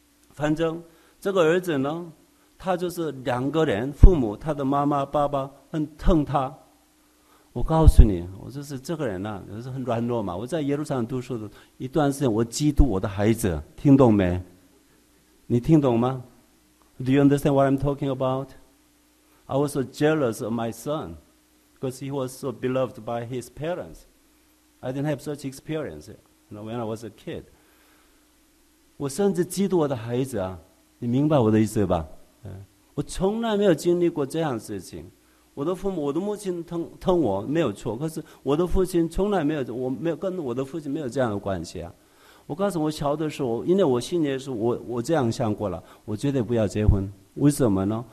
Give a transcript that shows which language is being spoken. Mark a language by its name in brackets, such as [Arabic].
[Chinese] 反正这个儿子呢，他就是两个人父母，他的妈妈爸爸很疼他。我告诉你，我就是这个人呢、啊，就是很软弱嘛。我在耶路撒冷读书的一段时间，我嫉妒我的孩子，听懂没？你听懂吗 [English] ？Do you understand what I'm talking about? I was so jealous of my son, because he was so beloved by his parents. I didn't have such experience, you know, when I was a kid. [Chinese] 我甚至嫉妒我的孩子啊！你明白我的意思吧？嗯，我从来没有经历过这样的事情。我的父母，我的母亲疼我没有错，可是我的父亲从来没有，我没有跟我的父亲没有这样的关系啊。我告诉我小的时候，因为我心里是我这样想过了，我绝对不要结婚。为什么呢？